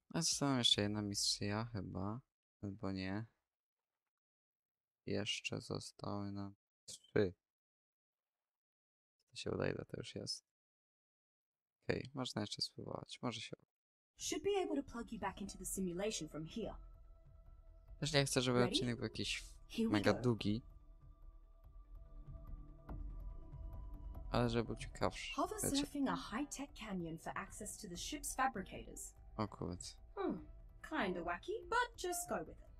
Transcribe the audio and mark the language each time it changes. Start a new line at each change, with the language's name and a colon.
Polish: A została jeszcze jedna misja chyba. Albo nie. Jeszcze zostały nam trzy. Się udaje, to już jest. Okej, okay, można jeszcze spróbować. Może się.
English: Should be able to plug you back into the simulation from here.
Polish: Też nie chcę, żeby odcinek był jakiś mega długi. Ale żeby był ciekawszy.
English: Hover surfing a high-tech canyon for access to the ship's fabricators.
Polish: O kurde.
English: Kinda wacky, but just go with it.